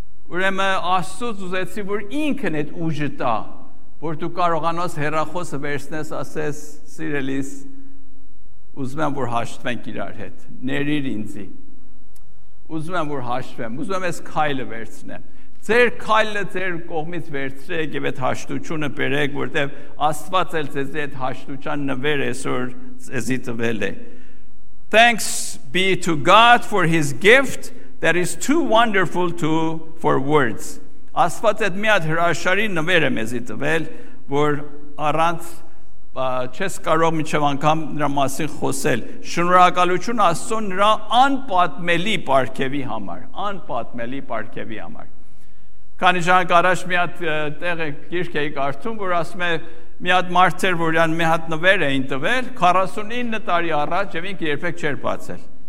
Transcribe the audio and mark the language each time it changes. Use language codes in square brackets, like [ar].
[hy] Ուրեմն Աստուծո ուզեցի, որ ինքն այդ ուժը տա, որ դու կարողանաս հեռախոսը վերցնես, ասես, սիրելիս, ուզում եմ, որ հաշտվենք իրար հետ, ներիր ինձի, ուզում եմ, որ հաշտվեմ, ուզում եմ ես քայլը վերցնեմ, ձեր քայլը ձեր կողմից վերցրեք եւ այդ հաշտությունը բերեք, որտեւ Աստված էլ ձեզ այդ հաշտության նվերը այսօր ձեզի տվել է. [en] Thanks be to God for his gift that is too wonderful to for words. [hy] Աստված այդ միատ հրաշալի նվեր է մեզի տվել, որ առանց չես կարող մինչև անգամ նրա մասին խոսել. Շնորհակալություն Աստծո նրա անպատմելի պարգևի համար, անպատմելի պարգևի համար. Քանի ժամանակ առաջ մի հատ տեղ գիրք էի կարդում, որ ասում է մի հատ մարդ էր, որ իրան մի հատ նվեր էին տվել 49 տարի առաջ եւ ինքը երբեք չէր բացել.